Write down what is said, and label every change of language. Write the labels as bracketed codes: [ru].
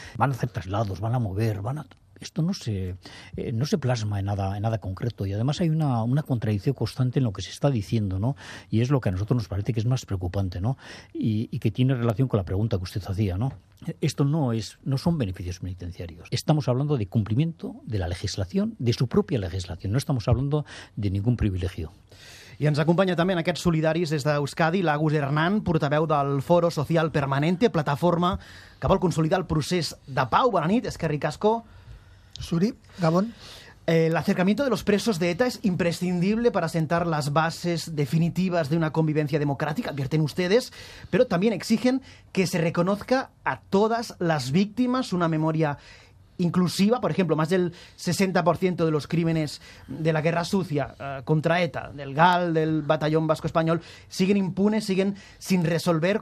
[es] Van a hacer traslados, van a mover, esto no se plasma en nada concreto, y además hay una contradicción constante en lo que se está diciendo, ¿no? Y es lo que a nosotros nos parece que es más preocupante, ¿no? Y que tiene relación con la pregunta que usted hacía, ¿no? Esto no son beneficios penitenciarios. Estamos hablando de cumplimiento de la legislación, de su propia legislación. No estamos hablando de ningún privilegio. [ca] I ens acompanya també en aquests solidaris des d'Euskadi l'Agus Hernán, portaveu del Foro Social Permanente, plataforma que vol consolidar el procés de pau. Bona nit, [eu] Eskerrik Asko. Suri, Gabón. [es] El acercamiento de los presos de ETA es imprescindible para sentar las bases definitivas de una convivencia democrática, advierten ustedes, pero también exigen que se reconozca a todas las víctimas una memoria inclusiva. Por ejemplo, más del 60% de los crímenes de la Guerra Sucia contra ETA, del GAL, del Batallón Vasco Español, siguen impunes, siguen sin resolver.